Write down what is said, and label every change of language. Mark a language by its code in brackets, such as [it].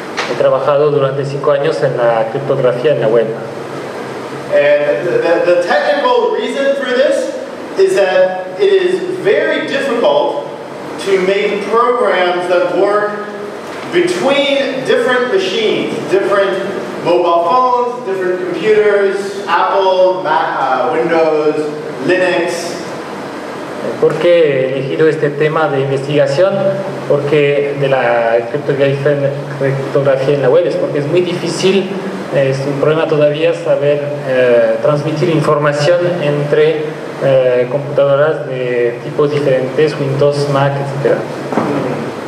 [es] He trabajado durante 5 años en la criptografía en la web. [en] And the technical reason for this is that it is very difficult to make programs that work between different machines, different mobile phones, different computers, Apple, Mac, Windows, Linux. [es] ¿Por qué he elegido este tema de investigación? Porque de la criptografía en la web, es porque es muy difícil, es un problema todavía saber transmitir información entre computadoras de tipos diferentes, Windows, Mac, etc.